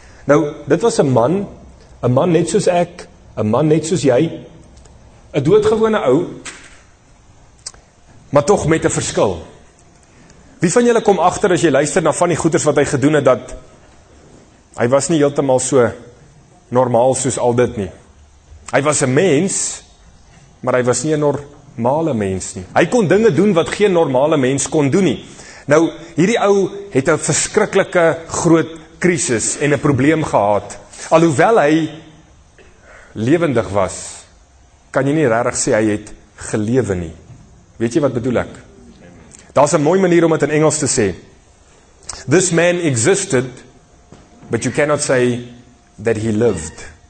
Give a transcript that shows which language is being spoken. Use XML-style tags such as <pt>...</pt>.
<af>Nou, dit was een man net soos ek, een man net soos jy, een doodgewone ou, maar toch met een verskil. Wie van julle kom achter as jy luister na van die goeders wat hy gedoen het, dat hy was nie heeltemal so normaal soos al dit nie. Hy was een mens, maar hy was nie een normale mens nie. Hy kon dinge doen wat geen normale mens kon doen nie. Nou, hierdie ou het een verskrikkelike groot krisis en een probleem gehad. Alhoewel hy levendig was, kan jy nie regtig sê hy het gelewe nie. Weet jy wat bedoel ek? Daar is een mooi manier om het in Engels te sê.</af> <en>This man existed, but you cannot say that he lived.</en>